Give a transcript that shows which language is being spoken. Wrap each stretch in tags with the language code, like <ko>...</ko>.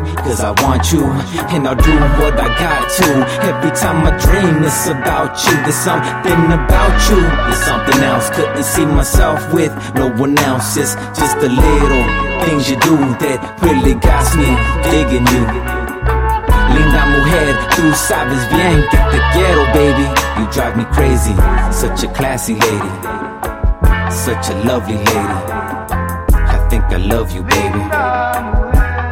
<en>Cause I want you, and I'll do what I got to. Every time I dream, it's about you. There's something about you, there's something else. Couldn't see myself with no one else. It's just the little things you do that really got me digging you.</en> <es>Linda mujer, tú sabes bien que te quiero, baby.</es> <en>You drive me crazy, such a classy lady, such a lovely lady. I think I love you, baby.</en>